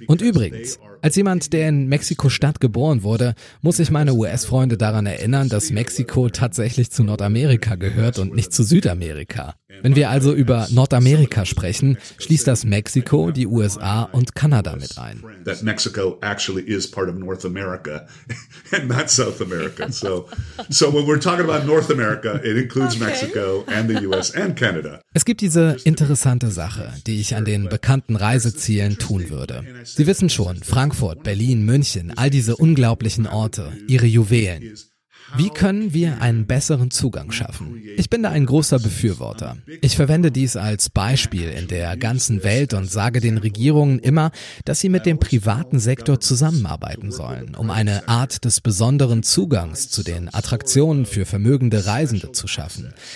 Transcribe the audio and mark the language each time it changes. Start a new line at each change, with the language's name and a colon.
German: Und übrigens, als jemand, der in Mexiko-Stadt geboren wurde, muss ich meine US-Freunde daran erinnern, dass Mexiko tatsächlich zu Nordamerika gehört und nicht zu Südamerika. Wenn wir also über Nordamerika sprechen, schließt das Mexiko, die USA und Kanada mit ein.
English: Mexico actually is part of North America and not South America. So when we're talking about North America, it includes Mexico and the US and Canada.
German: Es gibt diese interessante Sache, die ich an den bekannten Reisezielen tun würde. Sie wissen schon, Frankfurt, Berlin, München, all diese unglaublichen Orte, ihre Juwelen. Wie können wir einen besseren Zugang schaffen? Ich bin da ein großer Befürworter. Ich verwende dies als Beispiel in der ganzen Welt und sage den Regierungen immer, dass sie mit dem privaten Sektor zusammenarbeiten sollen, um eine Art des besonderen Zugangs zu den Attraktionen für vermögende Reisende zu schaffen.